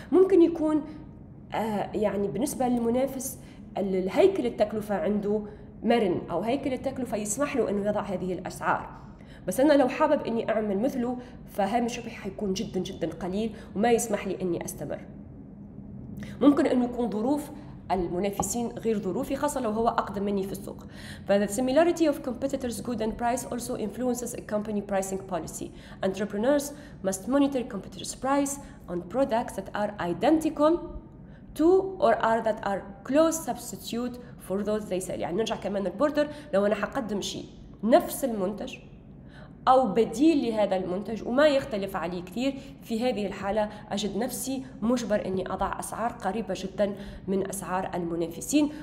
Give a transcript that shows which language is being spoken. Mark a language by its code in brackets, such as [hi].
[ar] ممكن يكون يعني بالنسبة للمنافس الهيكل التكلفة عنده مرن، أو هيكل التكلفة يسمح له أنه يضع هذه الأسعار، بس أنا لو حابب أني أعمل مثله فهامش ربح حيكون جدا جدا قليل وما يسمح لي أني أستمر. ممكن أنه يكون ظروف المنافسين غير ظروفي، خاصة لو هو أقدم مني في السوق. [en] فthe similarity of competitors' good and price also influences a company pricing policy. Entrepreneurs must monitor competitors' price on products that are identical to or are that are close substitute for those they sell. [ar] يعني نرجع كمان البوردر، لو أنا حقدم شيء نفس المنتج أو بديل لهذا المنتج وما يختلف عليه كثير، في هذه الحالة أجد نفسي مجبر أني أضع أسعار قريبة جدا من أسعار المنافسين.